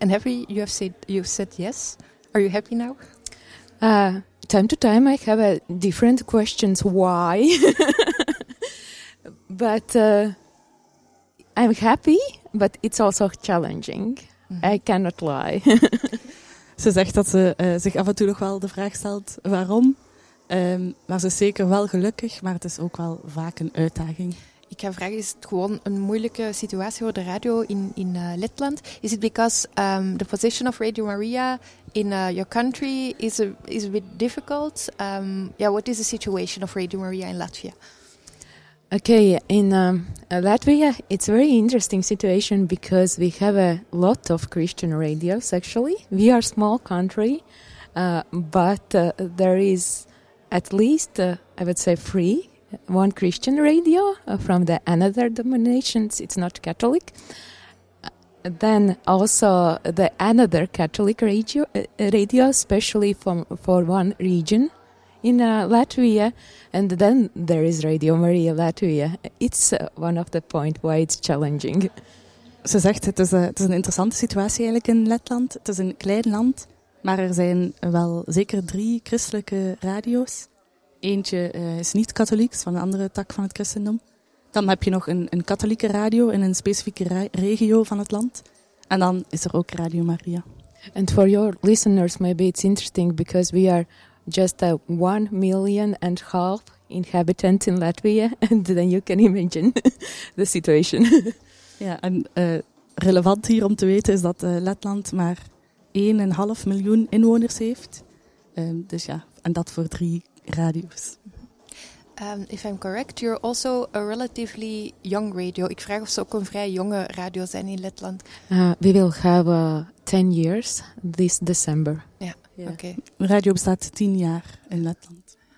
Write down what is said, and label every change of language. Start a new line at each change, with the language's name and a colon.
English: And you have said yes. Are you happy now? Time to time I have different questions why. But I'm happy, but it's also challenging. Mm-hmm. I cannot lie.
Dutch: Ze zegt dat ze zich af en toe nog wel de vraag stelt waarom. Maar ze is zeker wel gelukkig, maar het is ook wel vaak een uitdaging. Ik ga vragen, is het gewoon een moeilijke situatie voor de radio in Letland?
English: Is it because the position of Radio Maria in your country is a bit difficult? What is the situation of Radio Maria in Latvia? Okay, in Latvia it's a very interesting situation because we have a lot of Christian radios actually. We are a small country, but there is at least, I would say, one Christian radio from the another denominations. It's not Catholic. Then also the another Catholic radio, especially for one region in Latvia, and then there is Radio Maria Latvia. It's one of the points why it's challenging.
Dutch: Ze zegt, het is een interessante situatie eigenlijk in Letland. Het is een klein land, maar er zijn wel zeker 3 christelijke radio's. Eentje is niet katholiek, van een andere tak van het christendom. Dan heb je nog een katholieke radio in een specifieke regio van het land. En dan is er ook Radio Maria.
English: And for your listeners, maybe it's interesting because we are just 1.5 million inhabitants in Latvia, and then you can imagine the situation.
Dutch: Ja, en relevant hier om te weten is dat Letland maar 1.5 miljoen inwoners heeft. Dus ja, en dat voor 3 radio's.
English: If I'm correct, you're also a relatively young radio.
Dutch: Ik vraag of ze ook een vrij jonge radio zijn in Letland.
English: We will have 10 years this December. Ja. Yeah. Yeah. Okay.
Dutch: Radio bestaat 10 jaar in Letland.